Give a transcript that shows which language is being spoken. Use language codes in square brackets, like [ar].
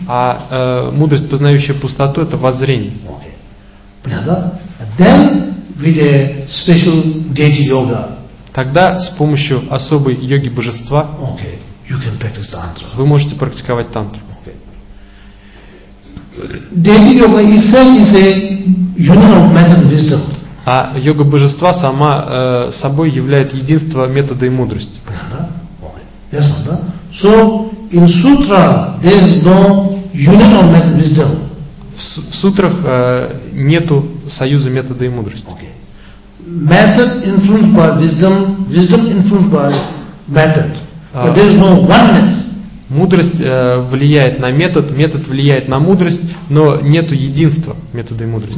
[ru] А мудрость, познающая пустоту, это воззрение. [en] Okay. [ru] Понятно? [en] Then with a special deity yoga. [ru] Тогда с помощью особой йоги божества [en] okay, you can practice tantra. [ru] Вы можете практиковать тантру. [en] Deity yoga itself is a union of method and wisdom. [ru] А йога божества сама собой является единство метода и мудрости. [en] So in sutra there is no union of method and wisdom. [ru] В сутрах нету союза метода и мудрости. [en] Okay. Method influenced by wisdom, wisdom influenced by method. But there is no oneness. [ru] Мудрость влияет на метод, метод влияет на мудрость, но нету единства метода и мудрости.